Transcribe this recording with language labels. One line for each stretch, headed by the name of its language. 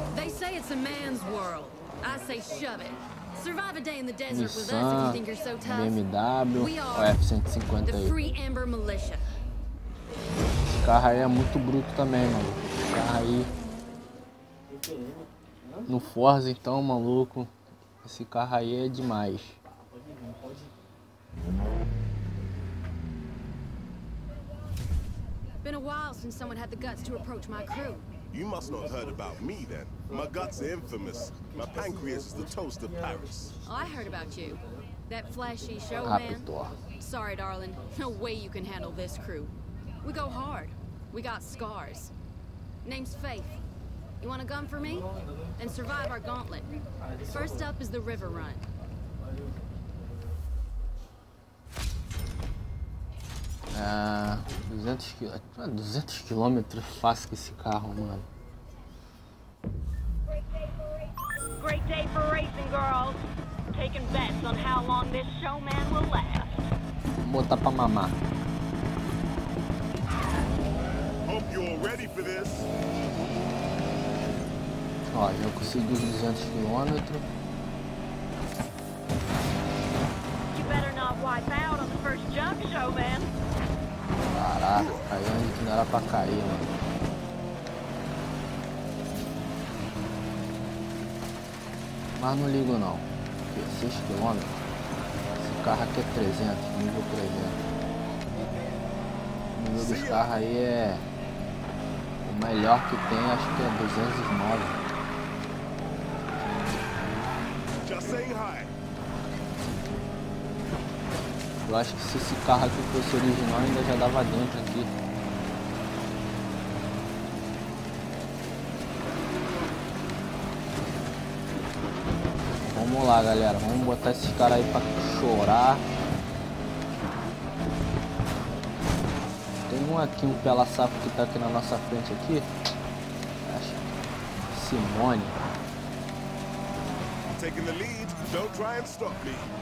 English: They say it's a man's world. I say shove it. Survive a day in the desert with us if you think you're so tough. BMW, F-150 aí. The Free Amber Militia.
Portuguese: Esse carro aí é muito bruto também, mano. Esse carro aí. No Forza então, maluco. Esse carro aí é demais.
English: Been a while since someone had the guts to approach my crew. You must not have heard about me then. My guts are infamous. My pancreas is the toast of Paris. Oh, I heard about you. That flashy showman. Sorry, darling. No way you can handle this crew. We go hard. We got scars. Name's Faith. You want a gun for me? And survive our gauntlet. First up is the river run.
Portuguese: Ah, 200 quilômetros fácil que esse carro, mano.
English: Great day for racing, girls. Taking bets on how long this showman will last.
Portuguese: Botar pra mamar.
English: Hope you're ready for this.
Portuguese: Ó, já consegui 200 quilômetros.
English: You better not wipe out on the first jump, showman.
Portuguese: Caraca, caiu onde que não era pra cair, mano. Mas não ligo não. 6 quilômetros. Esse carro aqui é 300, nível 300. O nível dos carros aí é. O melhor que tem, acho que é 209. Eu acho que se esse carro aqui fosse original, ainda já dava dentro aqui. Vamos lá, galera. Vamos botar esses caras aí pra chorar. Tem um aqui, um pela sapo que tá aqui na nossa frente aqui. Acho que Simone.
English: Taking the lead, don't try and stop me.